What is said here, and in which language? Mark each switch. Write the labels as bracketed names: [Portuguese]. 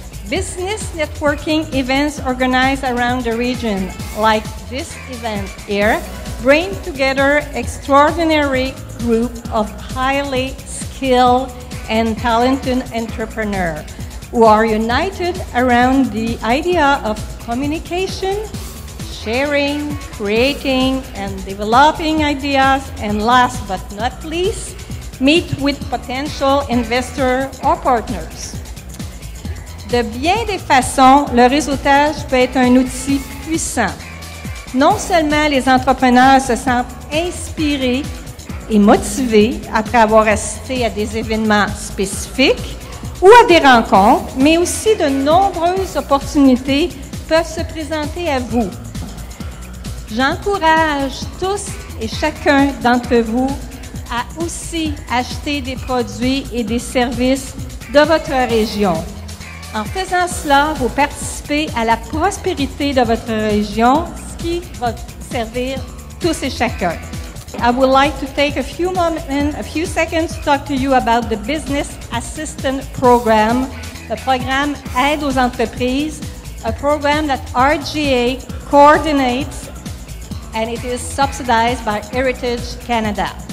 [English] Business networking events organized around the region, like this event here, bring together extraordinary group of highly skilled and talented entrepreneurs who are united around the idea of communication, sharing, creating, and developing ideas, and last but not least, meet with potential investors or partners. [French] De bien des façons, le réseautage peut être un outil puissant. Non seulement les entrepreneurs se sentent inspirés et motivés après avoir assisté à des événements spécifiques ou à des rencontres, mais aussi de nombreuses opportunités peuvent se présenter à vous. J'encourage tous et chacun d'entre vous à aussi acheter des produits et des services de votre région. En faisant cela, vous participez à la prospérité de votre région, ce qui va servir tous et chacun. [English] I would like to take a few seconds to talk to you about the Business Assistance Program, the program Aide aux entreprises, a program that RGA coordinates and it is subsidized by Heritage Canada.